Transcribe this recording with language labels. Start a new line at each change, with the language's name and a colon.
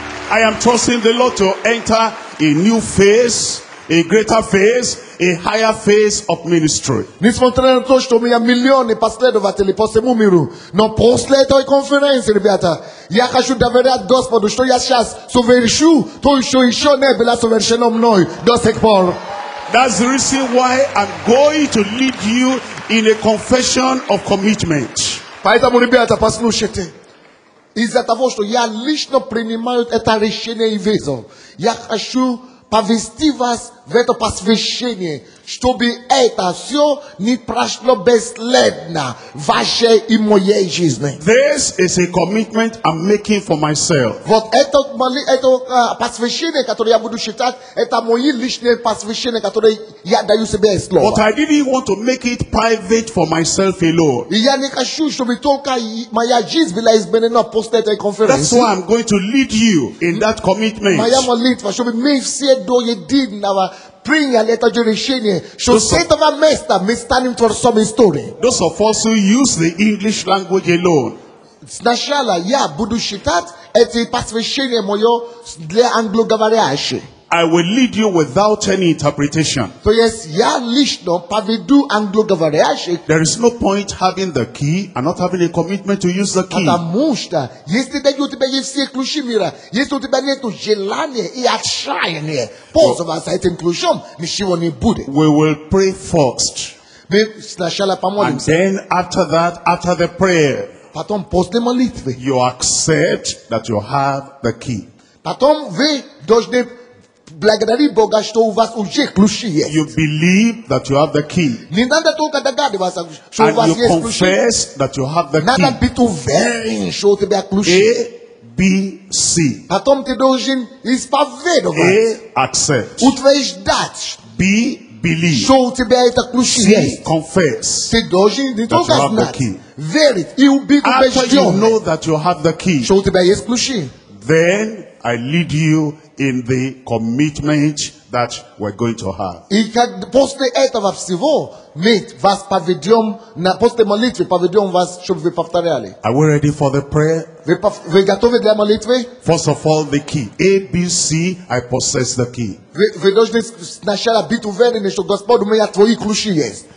English: I am trusting the Lord to enter a new phase, a greater phase, a higher phase of ministry.
Russian: Несмотря на то, что у меня миллионы последователей по всему миру, но после этой конференции, ребята, я хочу доверять Господу, что я сейчас совершу то, что еще не было совершено мной до сих пор.
English: That's the reason why I'm going to lead you in a confession of commitment.
Russian: Поэтому, ребята, послушайте. Из-за того, что я лично принимаю это решение и вызов, я хочу повести вас в это посвящение, чтобы это все не прошло бесследно в вашей и моей жизни.
English: This is a commitment I'm making for myself.
Russian: Вот это посвящение, которое я буду считать, это мое личное посвящение, которое я даю себе слово.
English: But I didn't want to make it private for myself alone.
Russian: И я не хочу, чтобы только моя жизнь была изменена после этой конференции.
English: That's why I'm going to lead you in that commitment.
Russian: Моя молитва, чтобы мы все до единого приняли это решение, что с этого места мы станем творцом истории.
English: Those of us who use the English language alone,
Russian: сначала я буду считать эти посвящения мое для англоговорящих.
English: I will lead you without any interpretation.
Russian: То есть я лично поведу англоговорящих.
English: There is no point having the key and not having a commitment to use the key.
Russian: Потому что если у тебя есть все ключи мира, если у тебя нет желания и отчаяния пользоваться этим ключом, ничего не будет.
English: We will pray first.
Russian: Мы сначала помолимся.
English: And then after that, after the prayer,
Russian: потом после молитвы,
English: you accept that you have the key.
Russian: Потом вы должны благодари Бога, что у вас уже ключи есть.
English: You believe that you have the key.
Russian: Не надо только догадываться, что у вас есть ключи.
English: And you confess that you have the key.
Russian: Надо быть уверен, что у тебя ключи.
English: A, B, C.
Russian: Потом ты должен исповедовать.
English: A, accept.
Russian: Утверждать.
English: B, believe.
Russian: Что у тебя это ключи есть.
English: C, confess.
Russian: Ты должен не только знать. Верить и убить убежден.
English: After you know that you have the key.
Russian: Что у тебя есть ключи.
English: Then I lead you in the commitment that we're going to have.
Russian: И как после этого всего, мы вас поведем, после молитвы поведем вас, чтобы вы повторяли.
English: Are we ready for the prayer?
Russian: Вы готовы для молитвы?
English: First of all, the key. A, B, C, I possess the key.
Russian: Вы должны сначала быть уверены, что Господь у меня твои ключи есть.